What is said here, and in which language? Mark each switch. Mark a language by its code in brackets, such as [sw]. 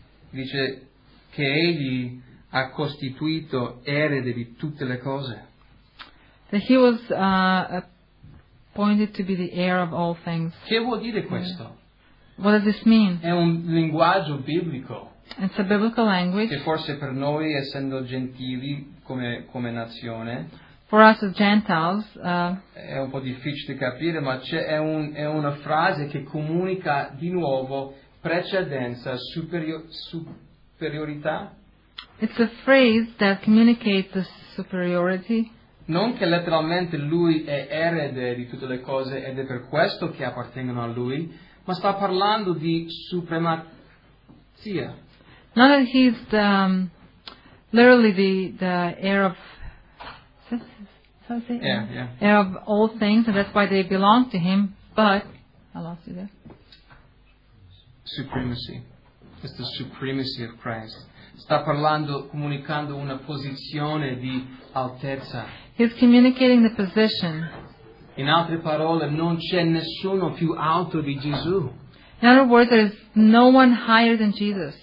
[it] Dice che egli ha costituito erede di tutte le cose. [en] That he was appointed to be the heir of all things. [it] Che vuol dire questo? [en] What does this mean? [it] È un linguaggio biblico. [en] It's a biblical language. [it] Che forse per noi, essendo gentili come nazione, [en] for us as Gentiles, [it] è un po' difficile capire, ma è una frase che comunica di nuovo precedenza, superiorità. [en] It's a phrase that communicates the superiority. [it] Non che letteralmente lui è erede di tutte le cose ed è per questo che appartengono a lui, ma sta parlando di supremazia. [en] Not that he's the, literally the heir of, heir of all things, and that's why they belong to him. But I lost you there. Supremacy. It's the supremacy of Christ. [it] Sta parlando, comunicando una posizione di altezza. [en] He's communicating the position. [it] In altre parole, non c'è nessuno più alto di Gesù. [en] In other words, there is no one higher than Jesus.